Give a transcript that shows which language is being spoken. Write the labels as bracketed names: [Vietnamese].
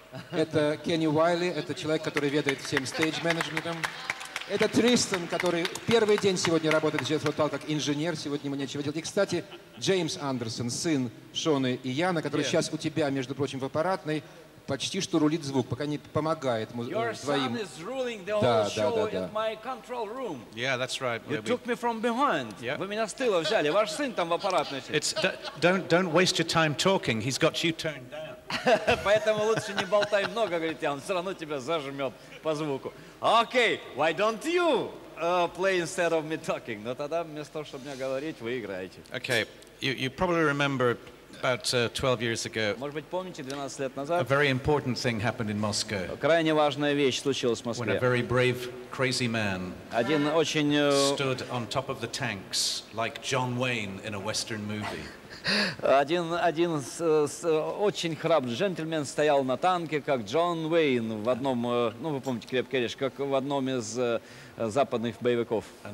[Russian] Это Кенни Уайли, это человек, который ведает всем стейдж-менеджментом. Это Тристан, который первый день сегодня работает в Jethro Tull как инженер, сегодня ему нечего делать. И, кстати, Джеймс Андерсон, сын Шоны и Яна, который сейчас у тебя, между прочим, в аппаратной, почти что рулит звук, пока не помогает твоим. [English] Your son is ruling the whole show in my control room. Yeah, that's right. You took me from behind. [Russian] Вы меня с тыла взяли, ваш сын там в аппаратной. [English] It's don't waste your time talking, he's got you turned down. [Russian] Поэтому лучше не болтай много, говорит Ян, все равно тебя зажмет по звуку. [English] Окей, why don't you play instead of me talking? [Russian] Но тогда вместо того, чтобы мне говорить, вы играете. [English] Okay, you probably remember about 12 years ago. [Russian] Может быть, помните, 12 лет назад? [English] A very important thing happened in Moscow. [Russian] Крайне важная вещь случилась в Москве. [English] When a very brave, crazy man stood on top of the tanks like John Wayne in a Western movie. [Russian] Один очень храбрый джентльмен стоял на танке, как Джон Уэйн в одном, ну вы помните «Крепкий орешек», как в одном из западных боевиков.